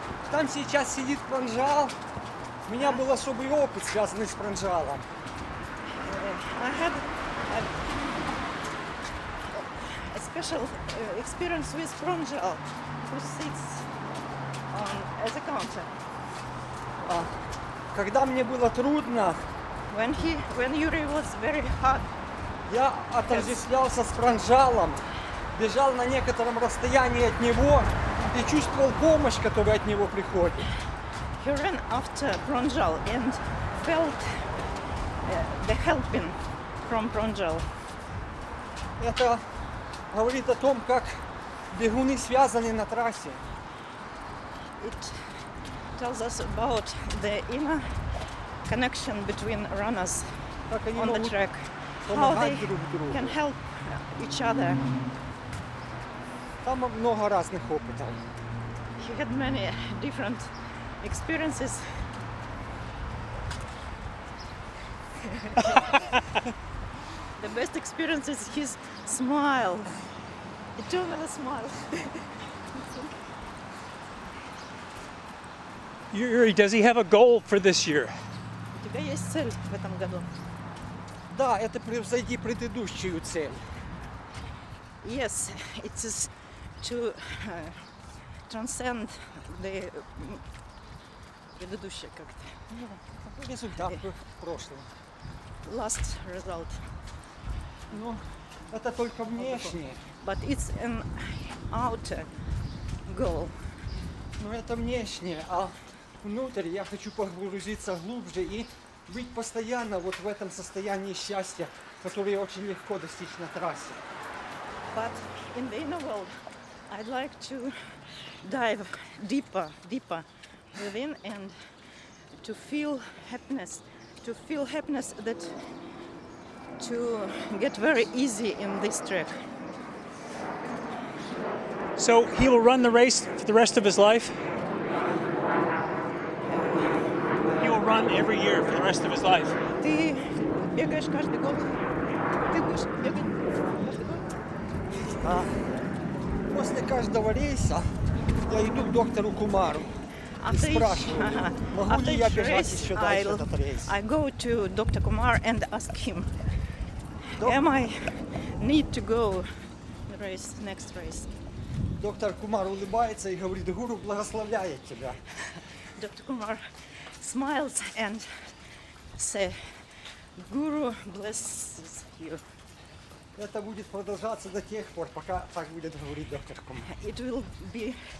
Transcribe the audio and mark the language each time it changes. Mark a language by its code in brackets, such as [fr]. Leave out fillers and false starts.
[ru] Там сейчас сидит пранжал. У меня был особый опыт, связанный с пранжалом. [en] A special experience with pranjal, who sits on as a counter. [ru] Когда мне было трудно, [en] when Yuri was very hard, [ru] я отождествлялся с пранжалом, бежал на некотором расстоянии от него и чувствовал помощь, которая от него приходит. [en] He ran after Pranjal and felt the helping from Pranjal. [ru] Это говорит о том, как бегуны связаны на трассе. [en] It tells us about the inner connection between runners on the track. How they can help each other. [ru] Там много разных опытов. [en] He had many different experiences. The best experience is his smile. A total smile. Yuri, does he have a goal for this year? [ru] У тебя есть цель в этом году? Да, это превзойти предыдущую цель. [en] Yes, it is to transcend the [ru] предыдущее как-то. Результат прошлого. [en] Last result. [ru] Ну, это только внешнее. [en] But it's an outer goal? [ru] Ну, это внешнее, а внутрь я хочу погрузиться глубже и быть постоянно вот в этом состоянии счастья, которое очень легко достичь на трассе. [en] But in the inner world, I'd like to dive deeper, deeper within and to feel happiness that to get very easy in this trek. So he will run the race for the rest of his life? He will run every year for the rest of his life. [ru] Ты бегаешь каждый год? Ты будешь бегать каждый год? После каждого рейса я иду к доктору Кумару. [en] After [ru] и спрашиваю, могу ли я бежать еще дальше этот рейс? [en] I go to Dr. Kumar and ask him, am I need to go the race, next race? [ru] Доктор Кумар улыбается и говорит: Гуру благословляет тебя. [en] Доктор Кумар smiles and says, Guru blesses you. [ru] Это будет продолжаться до тех пор, пока так будет говорить доктор Кумар.